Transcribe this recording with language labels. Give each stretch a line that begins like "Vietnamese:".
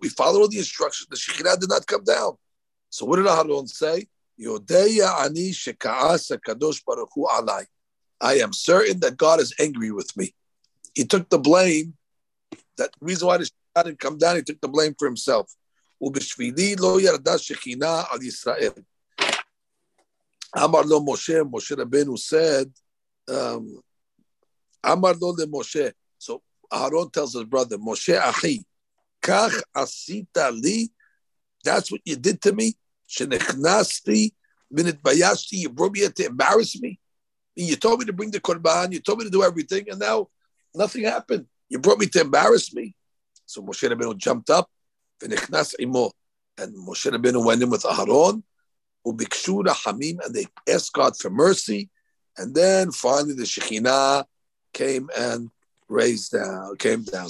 English: We followed all the instructions. The Shekhinah did not come down. So what did Aharon say?
Hebrew: Yodeya ani sheka'as ha-kadosh baruch hu alai.
English: I am certain that God is angry with me. He took the blame. That the reason why the Shekhinah didn't come down, he took the blame for himself.
Hebrew: ובשבילי לא ירדה שכינה על ישראל. אמר לו משה, משה רבנו said, אמר לו למשה,
English: so Aharon tells his brother,
Hebrew: משה אחי, כך עשית לי,
English: that's what you did to me,
Hebrew: שנכנסתי, ונתביישתי,
English: you brought me here to embarrass me. You told me to bring the Korban, you told me to do everything, and now nothing happened. You brought me to embarrass me. So משה רבנו jumped up, and Moshe Rabbeinu went in with Aharon, and they asked God for mercy, and then finally the Shekhinah came and raised down, came down.